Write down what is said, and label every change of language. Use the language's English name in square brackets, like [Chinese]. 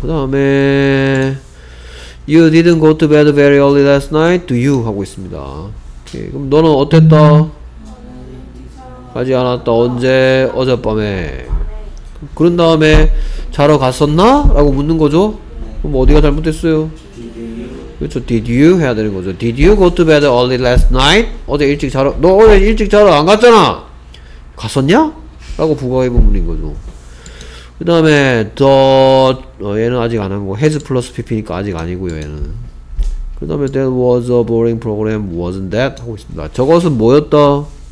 [Korean] 그 다음에 [English] You didn't go to bed very early last night. Do you? [Korean] 하고 있습니다. 오케이. 그럼 너는 어땠다? 가지 않았다. 언제? 어젯밤에. 그런 다음에 자러 갔었나? 라고 묻는 거죠. 그럼 어디가 잘못됐어요? 그렇죠. [English] Did you? [Korean] 해야 되는 거죠. [English] Did you go to bed early last night? [Korean] 어제 일찍 자러. 너 어제 일찍 자러 안 갔잖아. 갔었냐? 라고 부가의 부분인 거죠. 그 다음에 더 얘는 아직 안 한 거 has 플러스 pp니까 아직 아니고요. 얘는 그 다음에 [English] that was a boring program wasn't that [Korean] 하고 있습니다. 저것은 뭐였다?